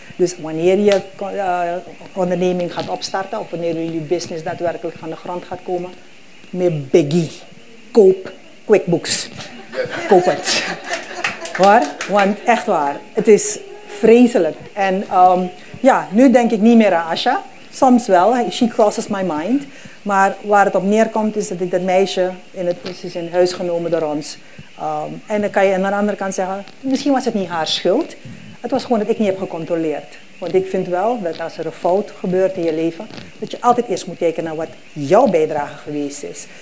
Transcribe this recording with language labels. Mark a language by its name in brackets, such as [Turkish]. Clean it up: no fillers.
[Dutch] Dus wanneer je onderneming gaat opstarten of wanneer je business daadwerkelijk van de grond gaat komen, meer biggie. Koop QuickBooks. Koop het. Hoor? Want echt waar, het is vreselijk. En nu denk ik niet meer aan Asha. Soms wel, [English] she crosses my mind. [Dutch] Maar waar het op neerkomt is dat ik dat meisje in het is in huis genomen door ons. En dan kan je aan de andere kant zeggen, misschien was het niet haar schuld. Het was gewoon dat ik niet heb gecontroleerd. Want ik vind wel dat als er een fout gebeurt in je leven, dat je altijd eerst moet kijken naar wat jouw bijdrage geweest is.